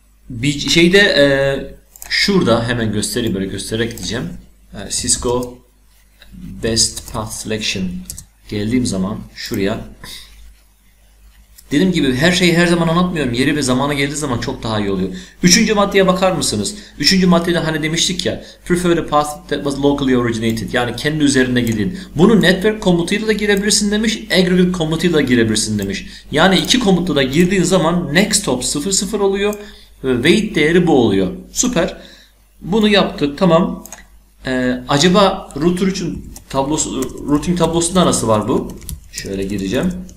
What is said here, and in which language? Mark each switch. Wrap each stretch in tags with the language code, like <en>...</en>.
<tr>Bir şeyde şurada hemen göstereyim, böyle göstererek diyeceğim. Cisco Best Path Selection geldiğim zaman şuraya. Dediğim gibi her şeyi her zaman anlatmıyorum. Yeri ve zamanı geldiği zaman çok daha iyi oluyor. Üçüncü maddeye bakar mısınız? Üçüncü maddede hani demiştik ya,</tr> <en>prefer a path that was locally originated.</en> <tr>Yani kendi üzerinde gidin. Bunu network komutuyla da girebilirsin demiş. Aggregate komutuyla da girebilirsin demiş. Yani iki komutla da girdiğin zaman next hop 0.0 oluyor. Weight değeri bu oluyor. Süper. Bunu yaptık. Tamam. Acaba router için tablosu, routing tablosunda nasıl var bu? Şöyle gireceğim.</tr>